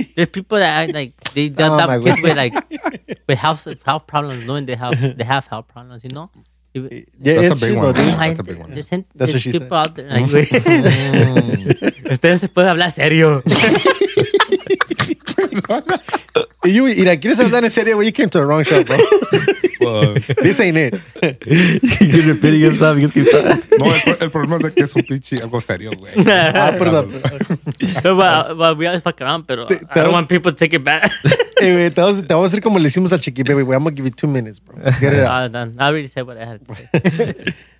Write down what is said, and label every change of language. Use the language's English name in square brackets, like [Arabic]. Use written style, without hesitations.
[English] There's people that are like they don't have kids with like with health problems, knowing they have health problems, you know? Yeah, that's a big one. That's what she said. People out there like [Spanish] ustedes se pueden hablar serio. Y yo, mira, ¿quieres hablar en serio? [English] Well, you came to the wrong show, bro. This ain't it. You're repeating yourself. You keep saying. [Spanish] No, el problema es que es un pinche algo serio, güey. Ah, perdón. [English] Well, we always fuck around, pero I don't want people to take it back. [Spanish] Hey, güey, te vamos a hacer como le hicimos al Chiqui Baby, güey. [English] I'm going to give you 2 minutes, bro. Get it out. I already said what I had to say.